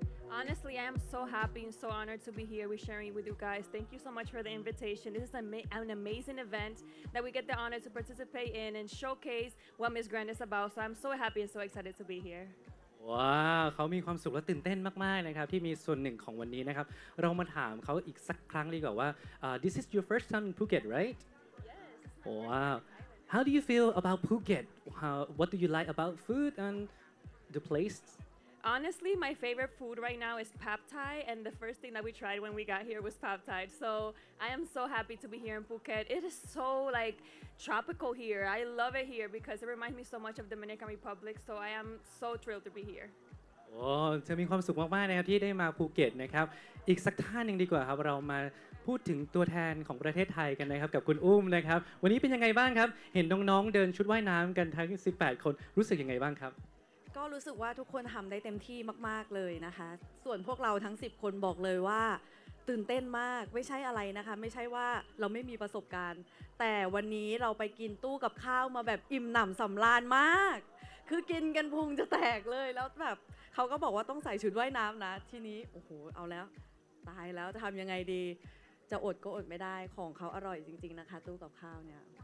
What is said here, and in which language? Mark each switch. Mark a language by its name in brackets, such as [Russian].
[English] Honestly, I am so happy and so honored to be here with sharing with you guys. Thank you so much for the invitation. This is an amazing event that we get the honor to participate in and showcase what Miss Grand is about. So I'm so happy and so excited to be here. [Thai] Wow, เขามีความสุขและตื่นเต้นมากๆนะครับที่มีส่วนหนึ่งของวันนี้นะครับเรามาถามเขาอีกสักครั้งดีกว่าว่า [English] this is your first time in Phuket, right? Yes. Wow. How do you feel about Phuket? What do you like about food and the place? Honestly, my favorite food right now is Pad Thai, and the first thing that we tried when we got here was Pad Thai. So I am so happy to be here in Phuket. It is so like tropical here. I love it here because it reminds me so much of Dominican Republic. So I am so thrilled to be here. [Thai] Oh, เธอมีความสุขมากๆนะครับที่ได้มาภูเก็ตนะครับอีกสักท่านหนึ่งดีกว่าครับเรามาพูดถึงตัวแทนของประเทศไทยกันนะครับกับคุณอุ้มนะครับวันนี้เป็นยังไงบ้างครับเห็นน้องๆเดินชุดว่ายน้ำกันทั้ง18คนรู้สึกยังไงบ้างครับ ก็รู้สึกว่าทุกคนทำได้เต็มที่มากๆเลยนะคะส่วนพวกเราทั้ง10คนบอกเลยว่าตื่นเต้นมากไม่ใช่อะไรนะคะไม่ใช่ว่าเราไม่มีประสบการณ์แต่วันนี้เราไปกินตู้กับข้าวมาแบบอิ่มหนำสำราญมากคือกินกันพุงจะแตกเลยแล้วแบบเขาก็บอกว่าต้องใส่ชุดว่ายน้ำนะทีนี้โอ้โหเอาแล้วตายแล้วจะทำยังไงดีจะอดก็อดไม่ได้ของเขาอร่อยจริงๆนะคะตู้กับข้าวเนี่ย